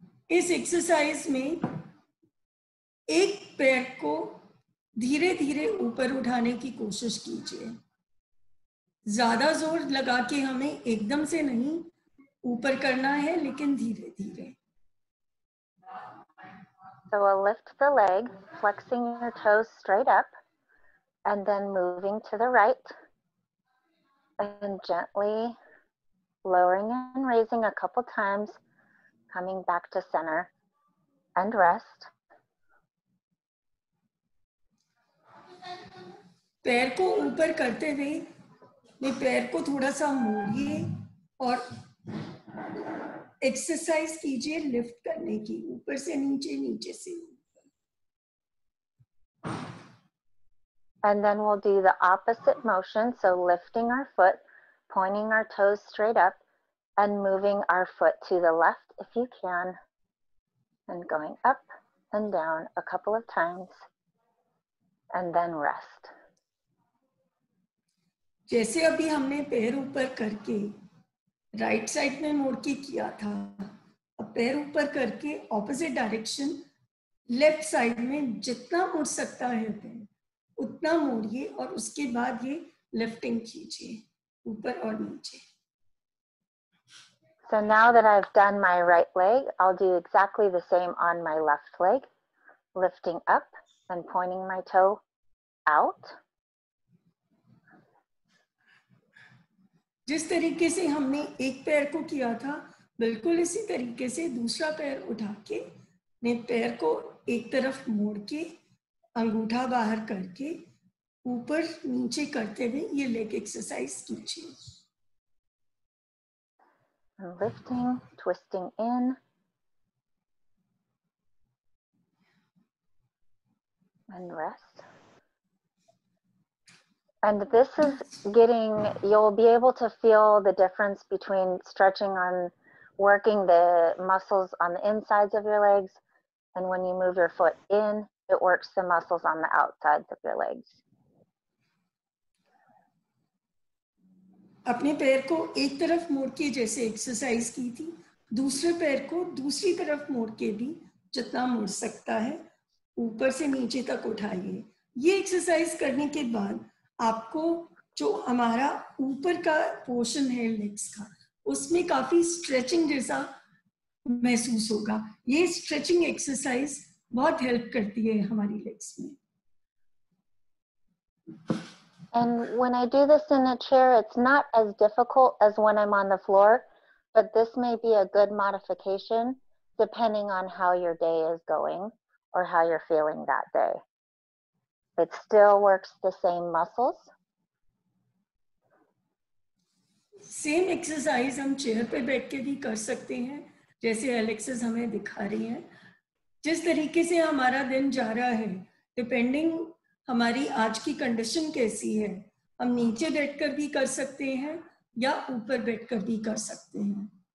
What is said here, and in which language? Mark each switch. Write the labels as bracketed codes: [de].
[hi] इस एक्सरसाइज में एक पैर को धीरे-धीरे ऊपर उठाने की कोशिश कीजिए। ज़्यादा जोर लगा के हमें एकदम से नहीं ऊपर करना है, लेकिन धीरे-धीरे। [en] So we'll lift the leg, flexing your toes straight up, and then moving to the right, and gently lowering and raising a couple times, coming back to center, and rest. [hi] पैर को ऊपर करते हुए, मैं पैर को थोड़ा सा मोड़िए और एक्सरसाइज कीजिए लिफ्ट करने की ऊपर से नीचे नीचे से [en] And then we'll do the opposite motion, so lifting our foot, pointing our toes straight up, and moving our foot to the left if you can, and going up and down a couple of times, and then rest. [hi] जैसे अभी हमने पैर ऊपर करके right side में मोड़ के किया था, अब पैर ऊपर करके ऑपोजिट डायरेक्शन लेफ्ट साइड में जितना मुड़ सकता है पैर उतना मोड़िए और उसके बाद ये लिफ्टिंग कीजिए ऊपर और नीचे [en] So now that I've done my right leg, I'll do exactly the same on my left leg, lifting up and pointing my toe out. [hi] जिस तरीके से हमने एक पैर को किया था, बिल्कुल इसी तरीके से दूसरा पैर उठा के, ने पैर को एक तरफ मोड़ के अंगूठा बाहर करके ऊपर नीचे करते हुए ये लेग एक्सरसाइज कीजिए। [en] Lifting, twisting in. And rest. And this is getting, you'll be able to feel the difference between stretching on working the muscles on the insides of your legs. And when you move your foot in, it works the muscles on the outsides of your legs. [hi] अपने पैर को एक तरफ मोड़ के जैसे exercise की थी, दूसरे पैर को दूसरी तरफ मोड़ के भी जितना मोड़ सकता है, ऊपर से नीचे तक उठाइए। ये एक्सरसाइज करने के बाद आपको जो हमारा ऊपर का पोर्शन है लेग्स का, उसमें काफी स्ट्रेचिंग जैसा महसूस होगा। ये स्ट्रेचिंग एक्सरसाइज बहुत हेल्प करती है हमारी लेग्स में। [en] And when I do this in a chair, it's not as difficult as when I'm on the floor, but this may be a good modification depending on how your day is going or how you're feeling that day. It still works the same muscles. Same exercise [hi] हम chair पे बैठ के भी कर सकते हैं, जैसे Alexis हमें दिखा रही हैं। जिस तरीके से हमारा दिन जा रहा है, depending हमारी आज की कंडीशन कैसी है, हम नीचे बैठकर भी कर सकते हैं या ऊपर बैठकर भी कर सकते हैं।